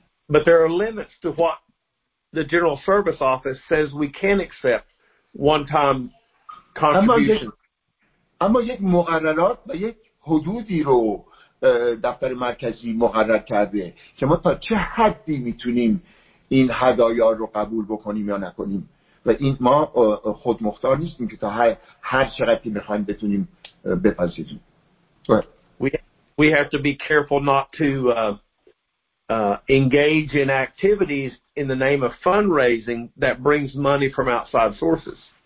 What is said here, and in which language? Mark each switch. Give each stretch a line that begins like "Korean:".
English: But there are limits to what the General Service Office says we can accept one-time contribution.
Persian: اما یک مقررات و یک حدودی رو دفتر مرکزی مقرر کرده که ما تا چه حدی میتونیم این هدایا رو قبول بکنیم یا نکنیم و این ما خود مختار نیستیم که تا هر چقدری بخوایم بتونیم بپذیریم.
English: We have to be careful not to engage in activities in the name of fundraising that brings money from outside sources.